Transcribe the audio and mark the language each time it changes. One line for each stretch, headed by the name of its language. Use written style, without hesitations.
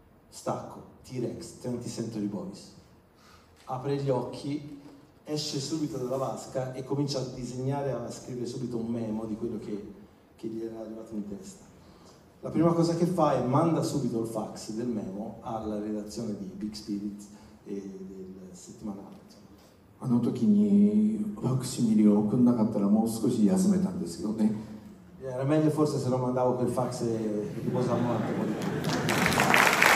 Italian: Stacco, T-Rex, 20th Century Boys, apre gli occhi, esce subito dalla vasca e comincia a disegnare, a scrivere subito un memo di quello che gli era arrivato in testa. La prima cosa che fa è manda subito il fax del memo alla redazione di Big Spirit e del settimanale.
Japanese: あの時にファクシミリを送んなかったらもう少し休めたんですけどね。
Italian: Era meglio forse se non mandavo quel fax e riposavo un attimo di più.